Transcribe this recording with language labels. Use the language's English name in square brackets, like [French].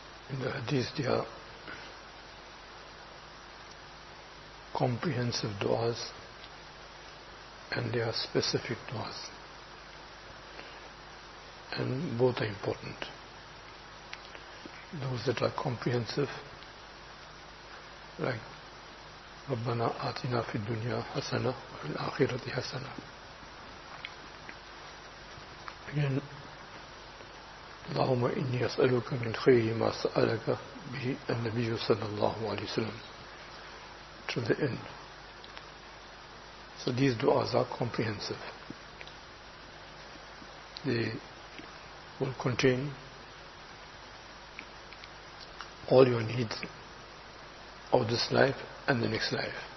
[English] In the hadith there are comprehensive du'as and there are specific du'as, and both are important. Those that are comprehensive, like [Arabic] رَبَّنَا آتِنَا فِي الدُّنْيَا حَسَنَةً وَفِي الْآخِرَةِ حَسَنَةً. [English] Again, [Arabic] اللهم إني أسألك من خير ما سألك به النبي صلى الله عليه وسلم. [English] To the end. So these du'as are comprehensive. They will contain all your needs of this life and the next life.